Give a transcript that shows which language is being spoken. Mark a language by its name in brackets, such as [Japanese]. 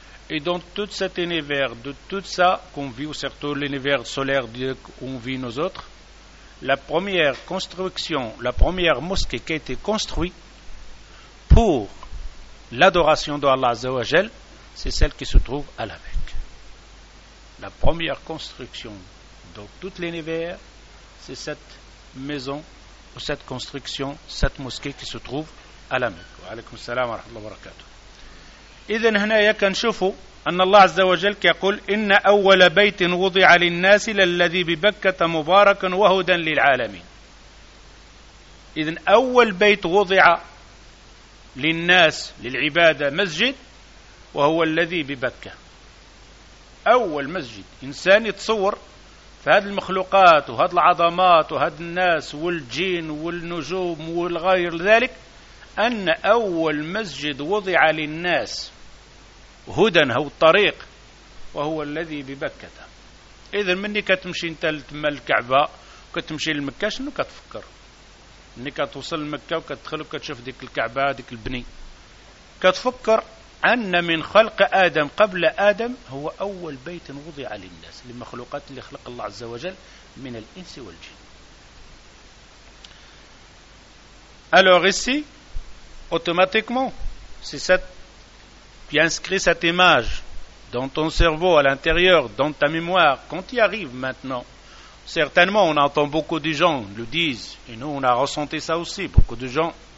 [French] Et dans tout cet univers, de tout ça qu'on vit, ou surtout l'univers solaire où on vit nous autres, la première construction, la première mosquée qui a été construite pour l'adoration d'Allah [Arabic] Azza wa Jal, [French] c'est celle qui se trouve à la Mecque. La première construction dans tout l'univers, c'est cette maison, ou cette construction, cette mosquée qui se trouve à la Mecque. [Arabic] Wa alaykum salam wa rahmatullahi wa barakatuh. إذن هنا يكنشفوا أن الله عز وجل يقول: إن أول بيت وضع للناس للذي ببكة مباركا وهدى للعالمين. إذن أول بيت وضع للناس للعبادة مسجد، وهو الذي ببكة، أول مسجد. إنسان يتصور في هذه المخلوقات وهذه العظمات وهذه الناس والجين والنجوم والغير ذلك، أن أول مسجد وضع للناس هدى هو الطريق، وهو الذي ببكة. إذن مني كتمشي انت لتما الكعبة وكتمشي للمكة، شنو كتفكر مني كتوصل لمكة وكتدخل وكتشوف ديك الكعبة ديك البني؟ كتفكر أن من خلق آدم قبل آدم هو أول بيت وضع للناس، للمخلوقات اللي خلق الله عز وجل من الإنس والجن. [French] Alors ici, automatiquement, c'est cette qui inscrit cette image dans ton cerveau, à l'intérieur, dans ta mémoire, quand il arrive maintenant. Certainement, on entend beaucoup de gens le disent, et nous, on a ressenti ça aussi. Beaucoup de gens